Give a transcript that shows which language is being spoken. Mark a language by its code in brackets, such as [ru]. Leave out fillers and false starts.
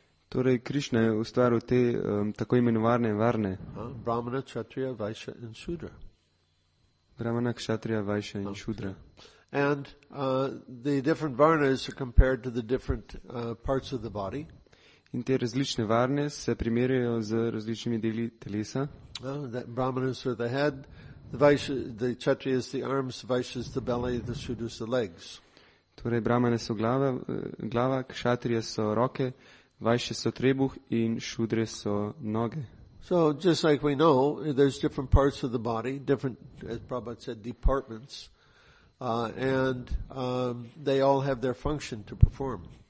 [sl] Torej Krishna je ustvaril te tako imenovane varne. [en] Brahmana, Kshatriya, Vaishya and Shudra. Brahmana, Kshatriya, Vaishya, and Shudra. And the different varnas are compared to the different parts of the body. [sl] In te različne varne se primerjajo z različnimi deli telesa. [en] That Brahmanas are the head, the Vaishya, the Kshatriya is the arms, Vaishya is the belly, the Shudra is the legs. [sl] Torej, Brahmane so glava, Kshatriya so roke, Vaishya so trebuh in Shudre so noge. [en] So just like we know, there's different parts of the body, different, as Prabhupada said, departments, and they all have their function to perform.